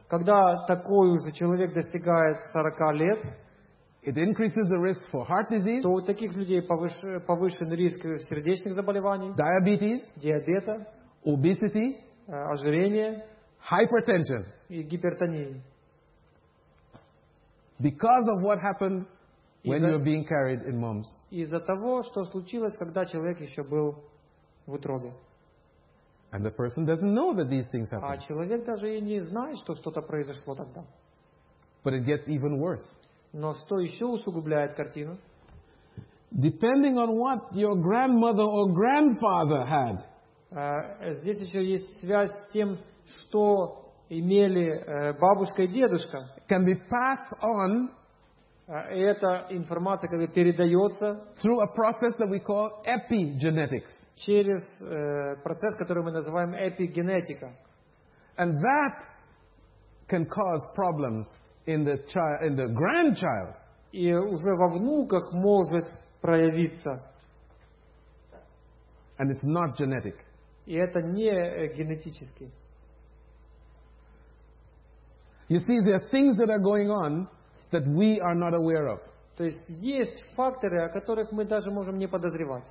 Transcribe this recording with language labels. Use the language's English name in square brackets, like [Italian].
[Russian] Когда такой уже человек достигает 40 лет, [English] it increases the risk for heart disease. [Russian] То у таких людей повышен риск сердечных заболеваний. [English] Diabetes. [Russian] Диабета. [English] Obesity. [Russian] Ожирение. [English] Hypertension. [Russian] И гипертония. [English] Because of what happened when you were being carried in moms. [Russian] Из-за того, что случилось, когда человек еще был в утробе. [English] And the person doesn't know that these things happened. [Russian] А человек даже и не знает, что что-то произошло тогда. [English] But it gets even worse. [Russian] Но что еще усугубляет картину? [English] Depending on what your grandmother or grandfather had. [Russian] Здесь еще есть связь с тем, что имели бабушка и дедушка. [English] Can be passed on. [Russian] Эта информация, как бы, передается [English] through a process that we call epigenetics. [Russian] Через процесс, который мы называем эпигенетика. [English] And that can cause problems in the grandchild. [Russian] И уже во внуках может проявиться. [English] And it's not genetic. [Russian] И это не генетически. [English] You see, there are things that are going on that we are not aware of. [Russian] То есть есть факторы, о которых мы даже можем не подозревать.